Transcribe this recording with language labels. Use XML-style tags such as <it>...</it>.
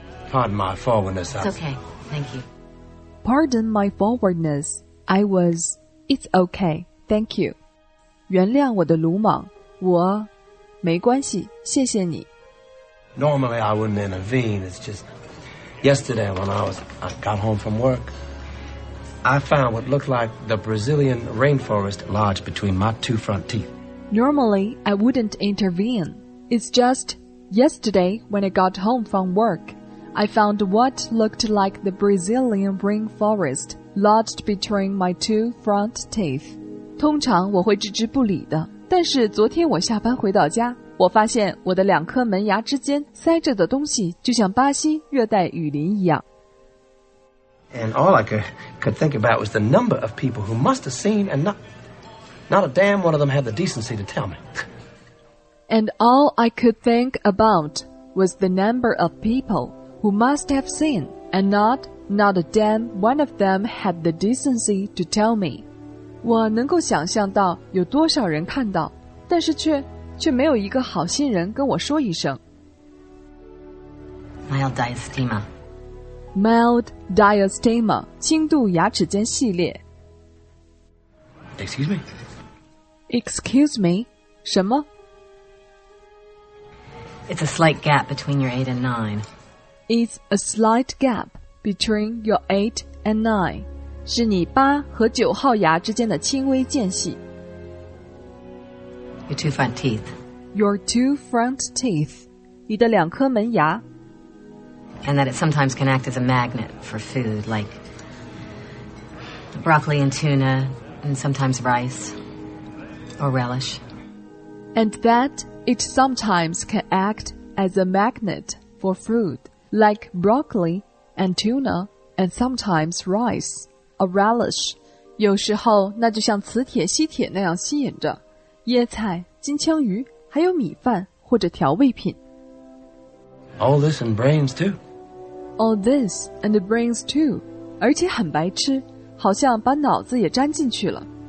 <en>Pardon my forwardness. It's okay, thank you. Pardon my forwardness. It's okay, thank you.</en> <zh>原谅我的鲁莽，我，没关系，谢谢你。</zh> <en>Normally I wouldn't intervene, it's just... Yesterday, when I got home from work, I found what looked like the Brazilian rainforest lodged between my two front teeth. Normally, I wouldn't intervene. It's just yesterday, when I got home from work, I found what looked like the Brazilian rainforest lodged between my two front teeth.</en> <zh>通常我会置之不理的，但是昨天我下班回到家。我发现我的两颗门牙之间塞着的东西就像巴西热带雨林一样。</zh> <en>And all I could think about was the number of people who must have seen and not a damn one of them had the decency to tell me. And all I could think about was the number of people who must have seen and not a damn one of them had the decency to tell me.</en> <zh>我能够想象到有多少人看到，但是却没有一个好心人跟我说一声。</zh> <en>Mild diastema. Mild diastema,</en> <zh>轻度牙齿间隙裂。</zh> <en>Excuse me? Excuse me?</en> <zh>什么？</zh> <en>It's a slight gap between your 8 and 9. It's a slight gap between your 8 and 9.</en> <zh>是你八和九号牙之间的轻微间隙。</zh> <en>Your two front teeth. Your two front teeth.</en> <zh>你的两颗门牙。</zh> <en>And that it sometimes can act as a magnet for food, like broccoli and tuna, and sometimes rice or relish. And that it sometimes can act as a magnet for food, like broccoli and tuna, and sometimes rice or relish.</en> <zh>有时候那就像磁铁吸铁那样吸引着椰菜、金枪鱼，还有米饭或者调味品。</zh> <en>All this and brains too. All this and brains too,</en> <zh>而且很白痴，好像把脑子也粘进去了。</zh>